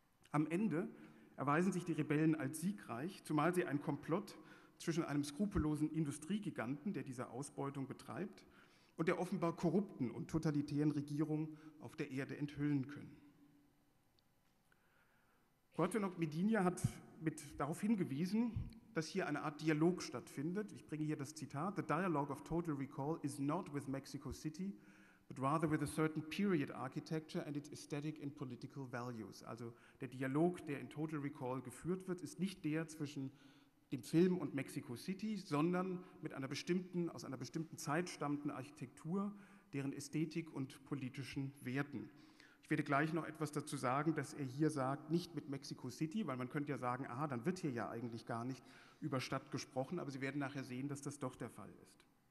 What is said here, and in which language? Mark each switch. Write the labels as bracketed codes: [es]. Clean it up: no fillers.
[de] Am Ende erweisen sich die Rebellen als siegreich, zumal sie ein Komplott zwischen einem skrupellosen Industriegiganten, der diese Ausbeutung betreibt, und der offenbar korrupten und totalitären Regierung auf der Erde enthüllen können. Cuauhtémoc Medina hat darauf hingewiesen, dass hier eine Art Dialog stattfindet. Ich bringe hier das Zitat: [en] The dialogue of total recall is not with Mexico City, but rather with a certain period architecture and its aesthetic and political values. [de] Also der Dialog, der in Total Recall geführt wird, ist nicht der zwischen dem Film und Mexico City, sondern mit einer bestimmten, aus einer bestimmten Zeit stammenden Architektur, deren Ästhetik und politischen Werten. Ich werde gleich noch etwas dazu sagen, dass er hier sagt, nicht mit Mexico City, weil man könnte ja sagen, aha, dann wird hier ja eigentlich gar nicht über Stadt gesprochen, aber Sie werden nachher sehen, dass das doch der Fall ist.